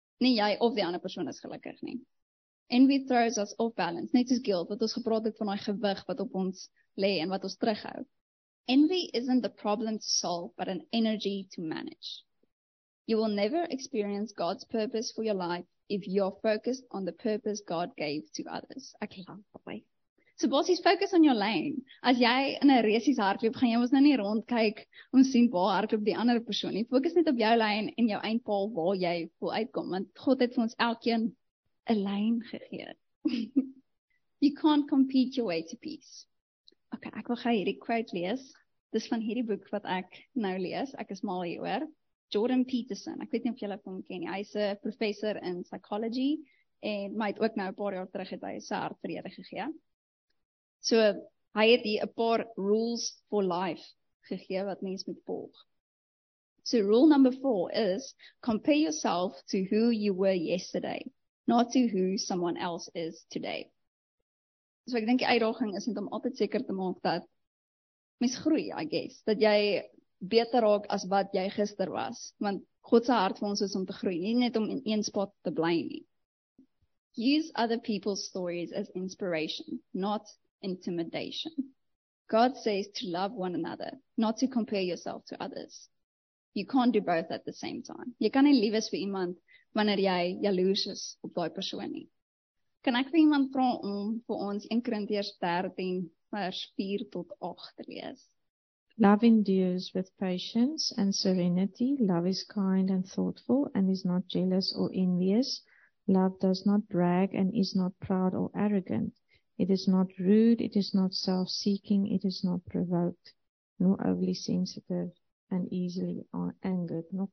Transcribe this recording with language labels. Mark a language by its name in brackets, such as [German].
[Afrikaans] Nie jy of die ander persoon is gelukkig nie. [English] Envy throws us off balance. [Afrikaans] Net soos guilt, wat ons gepraat het van die gewig wat op ons lê en wat ons terughou. [English] Envy isn't the problem to solve, but an energy to manage. You will never experience God's purpose for your life if you're focused on the purpose God gave to others. Okay, bye-bye. So bossies, focus on your lane. [Afrikaans] As jy in 'n resies hardloop, gaan jy ons nou nie rondkyk om sien waar hardloop die ander persoon nie. Fokus net op jou lane en jou eindpaal waar jy wil uitkom, want God het vir ons elkeen 'n lyn gegee. [English] You can't compete your way to peace. Okay, [Afrikaans] ek wil gou hierdie quote lees. Dis van hierdie boek wat ek nou lees. Ek is mal hieroor. Jordan Peterson. Ek weet nie of julle hom ken nie. Hy's 'n professor in psychology en my het ook nou 'n paar jaar terug het hy sy hart vrede gegee. So, hy het hier 'n paar rules for life gegee wat mens moet volg. [English] So, rule number 4 is compare yourself to who you were yesterday, not to who someone else is today. [Afrikaans] So ek dink die uitdaging is net om altyd seker te maak dat mens groei, I guess. Dat jy beter raak as wat jy gister was. Want God se hart vir ons is om te groei, nie net om in een spot te bly nie. [English] Use other people's stories as inspiration, not intimidation. God says to love one another, not to compare yourself to others. You can't do both at the same time. [Afrikaans] Jy kan nie lief wees vir iemand wanneer jy jaloers is op daai persoon nie. Kan ek vir iemand vra om vir ons 1 Korintiërs 13 vers 4 tot 8 te lees? [English] Love endures with patience and serenity. Love is kind and thoughtful and is not jealous or envious. Love does not brag and is not proud or arrogant. It is not rude, it is not self-seeking, it is not provoked, nor overly sensitive and easily angered.